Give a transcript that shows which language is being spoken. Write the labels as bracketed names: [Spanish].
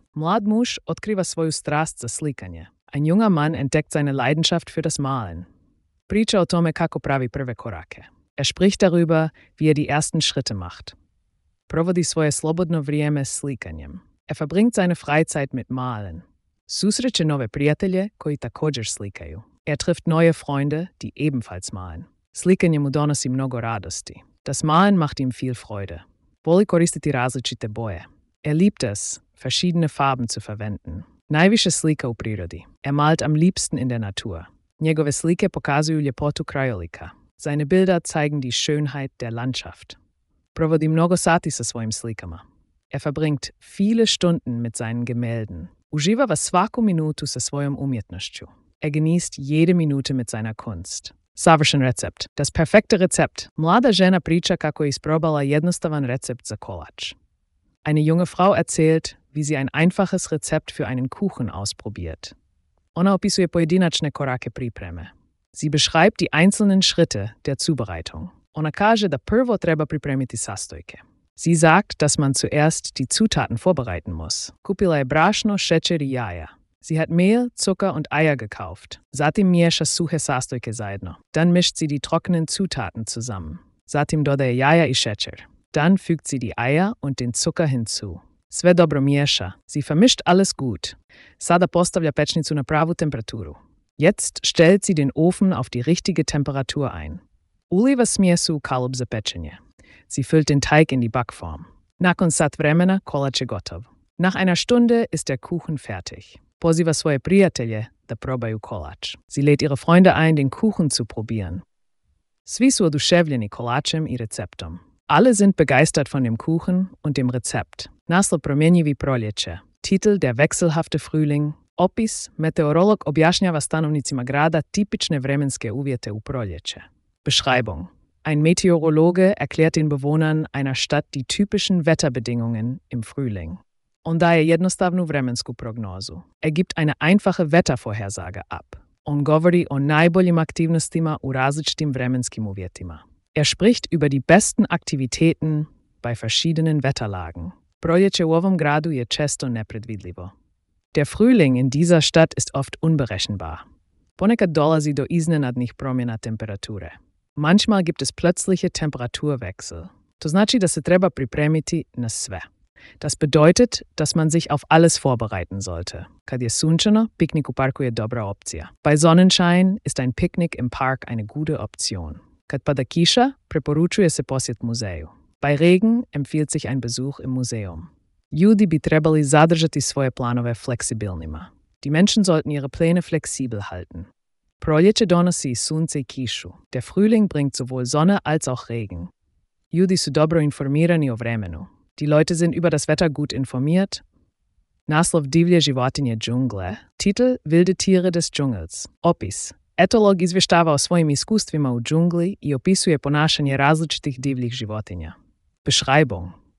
[Croatian] Mlad muš otkriva svoju strast za slikanje. [German] Ein junger Mann entdeckt seine Leidenschaft für das Malen. [Croatian] Priča o tome kako pravi prve korake. [German] Er spricht darüber, wie er die ersten Schritte macht. [Croatian] Provodi svoje slobodno vrijeme slikanjem. [German] Er verbringt seine Freizeit mit Malen. [Croatian] Susreće nove prijatelje koji također slikaju. [German] Er trifft neue Freunde, die ebenfalls malen. [Croatian] Slikanje mu donosi mnogo radosti. [German] Das Malen macht ihm viel Freude. [Croatian] Voli koristiti različite boje. [German] Er liebt es, verschiedene Farben zu verwenden. [Croatian] Najviše slika u prirodi. [German] Er malt am liebsten in der Natur. [Croatian] Njegove slike pokazuju ljepotu krajolika. [German] Seine Bilder zeigen die Schönheit der Landschaft. [Croatian] Provodi mnogo sati sa svojim slikama. [German] Er verbringt viele Stunden mit seinen Gemälden. [Croatian] Uživa va svaku minutu sa svojom umjetnošću. [German] Er genießt jede Minute mit seiner Kunst. [Croatian] Savršen recept. [German] Das perfekte Rezept. [Croatian] Mlada žena priča kako je isprobala jednostavan recept za kolač. [German] Eine junge Frau erzählt, wie sie ein einfaches Rezept für einen Kuchen ausprobiert. [Croatian] Ona opisuje pojedinačne korake pripreme. [German] Sie beschreibt die einzelnen Schritte der Zubereitung. [Croatian] Ona kaže da prvo treba pripremiti sastojke. [German] Sie sagt, dass man zuerst die Zutaten vorbereiten muss. [Croatian] Kupila je brašno, šećer i jaja. [German] Sie hat Mehl, Zucker und Eier gekauft. [Croatian] Zatim miješa suhe sastojke zajedno. [German] Dann mischt sie die trockenen Zutaten zusammen. [Croatian] Zatim dodaje jaja i šećer. [German] Dann fügt sie die Eier und den Zucker hinzu. [Croatian] Sve dobro miješa. [German] Sie vermischt alles gut. [Croatian] Sada postavlja pečnicu na pravu temperaturu. [German] Jetzt stellt sie den Ofen auf die richtige Temperatur ein. [Croatian] Uliva smjesu u kalup za pečenje. [German] Sie füllt den Teig in die Backform. [Croatian] Nakon sat vremena kolač je gotov. [German] Nach einer Stunde ist der Kuchen fertig. [Croatian] Poziva svoje prijatelje da probaju kolač. [German] Sie lädt ihre Freunde ein, den Kuchen zu probieren. [Croatian] Svi su oduševljeni kolačem i receptom. [German] Alle sind begeistert von dem Kuchen und dem Rezept. [Croatian] Naslov promjenjivi proljeće. [German] Titel der wechselhafte Frühling. [Croatian] Opis, meteorolog objašnjava stanovnicima grada tipične vremenske uvjete u proljeće. [German] Beschreibung. Ein Meteorologe erklärt den Bewohnern einer Stadt die typischen Wetterbedingungen im Frühling. [Croatian] On daje jednostavnu vremensku prognozu. [German] Er gibt eine einfache Wettervorhersage ab. [Croatian] On govori o najboljim aktivnostima u različitim vremenskim uvjetima. [German] Er spricht über die besten Aktivitäten bei verschiedenen Wetterlagen. [Croatian] Proljeće u ovom gradu je često nepredvidljivo. [German] Der Frühling in dieser Stadt ist oft unberechenbar. [Croatian] Ponekad dolazi do iznenadnih promjena temperature. [German] Manchmal gibt es plötzliche Temperaturwechsel. [Croatian] To znači da se treba pripremiti na sve. [German] Das bedeutet, dass man sich auf alles vorbereiten sollte. [Croatian] Kad je sunčano, piknik u parku je dobra opcija. [German] Bei Sonnenschein ist ein Picknick im Park eine gute Option. [Croatian] Kad pada kiša, preporučuje se posjet muzeju. [German] Bei Regen empfiehlt sich ein Besuch im Museum. [Croatian] Ljudi bi trebali zadržati svoje planove fleksibilnima. [German] Die Menschen sollten ihre Pläne flexibel halten. [Croatian] Proljeće donosi sunce i kišu. [German] Der Frühling bringt sowohl Sonne als auch Regen. [Croatian] Ljudi su dobro informirani o vremenu. [German] Die Leute sind über das Wetter gut informiert. [Croatian] Naslov divlje životinje džungle. [German] Titel Wilde Tiere des Dschungels. [Croatian] Opis. Etolog izvještava o svojim iskustvima u džungli i opisuje ponašanje različitih divljih životinja. [German] Beschreibung.